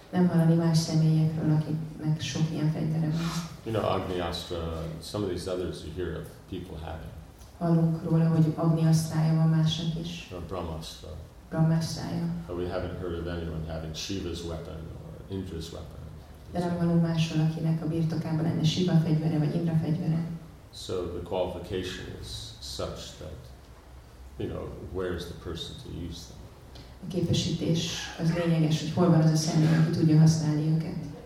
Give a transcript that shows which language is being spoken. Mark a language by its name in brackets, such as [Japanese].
[Hungarian] Nem hallani más személyekről, akiknek sok ilyen fegyvere van. [English] You know, Agniastra, some of these others you hear of people having. [Hungarian] Hallunk róla, hogy Agniasztrája van másnak is. [English] Or Brahmastra. [Hungarian] Brahmastrája. [English] But we haven't heard of anyone having Shiva's weapon or Indra's weapon. [Hungarian] De nem hallunk másról, akinek a birtokában lenne Shiva fegyvere vagy Indra fegyvere. [English] So the qualification is such that, you know, where is the person to use them? [Hungarian] A képesítés az lényeges, hogy hol van az a személy, aki tudja használni őket.